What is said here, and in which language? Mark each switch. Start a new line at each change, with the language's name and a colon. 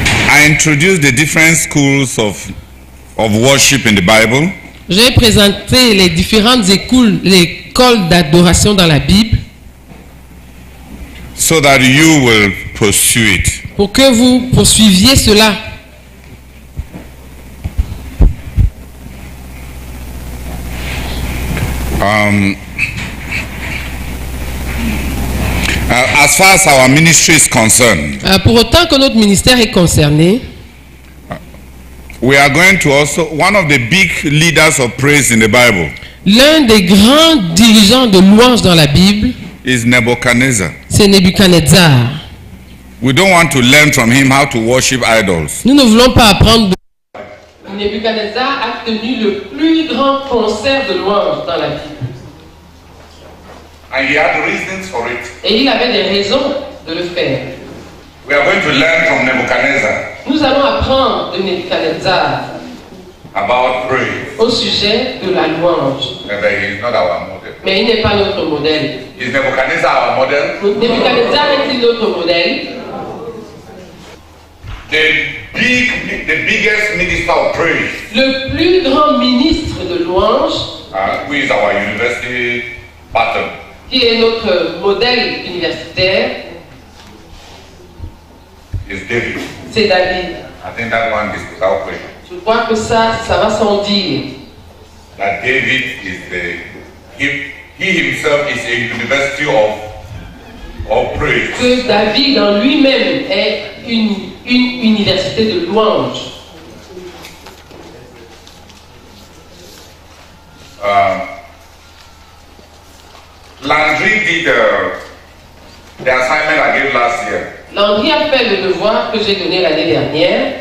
English: I introduced the different schools of worship in the Bible.
French: J'ai présenté les différentes écoles d'adoration dans la Bible.
English: So that you will pursue it.
French: Pour que vous poursuiviez cela.
English: As far as our ministry is concerned,
French: pour autant que notre ministère est concerné,
English: we are going to also one of the big leaders of praise in the Bible.
French: L'un des grands dirigeants de louange dans la Bible
English: is Nebuchadnezzar.
French: C'est Nebuchadnezzar.
English: We don't want to learn from him how to worship idols.
French: Nous ne voulons pas apprendre de Nebuchadnezzar a tenu le plus grand concert de louange dans la Bible.
English: And he had reasons for it.
French: Et il avait des raisons de le faire.
English: We are going to learn from Nebuchadnezzar.
French: Nous allons apprendre de Nebuchadnezzar
English: about praise.
French: Au sujet de la louange.
English: And he is not our model.
French: Mais il n'est pas notre modèle.
English: Is Nebuchadnezzar our model?
French: Nebuchadnezzar est-il notre modèle?
English: The biggest minister of praise.
French: Le plus grand ministre de louange.
English: Who is our university pattern?
French: Qui est notre modèle universitaire?
English: Is David.
French: C'est David.
English: I think that one is without question.
French: Je crois que ça va sans dire.
English: That David is the he himself is a university of praise.
French: Que David en lui-même est une université de louange.
English: Landry did the assignment I gave last year.
French: Landry a fait le devoir que j'ai donné l'année dernière.